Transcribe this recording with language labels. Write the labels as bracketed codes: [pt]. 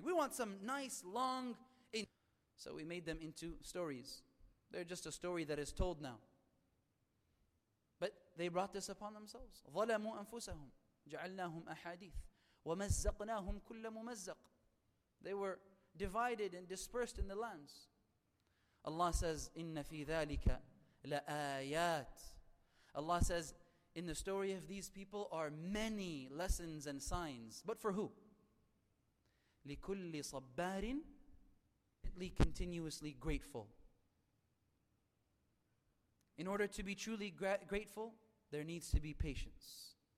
[en] We want some nice, long... So we made them into stories. They're just a story that is told now. But they brought this upon themselves. [ar] ظَلَمُوا أَنفُسَهُمْ جَعَلْنَاهُمْ أَحَادِيثِ وَمَزَّقْنَاهُمْ كُلَّ مُمَزَّقٍ. [en] They were divided and dispersed in the lands. Allah says, [ar] إِنَّ فِي ذَلِكَ لَآيَاتٍ. [en] Allah says, in the story of these people are many lessons and signs. But for who? [ar] لِكُلِّ صَبَّارٍ, [en] continuously grateful. In order to be truly grateful, there needs to be patience.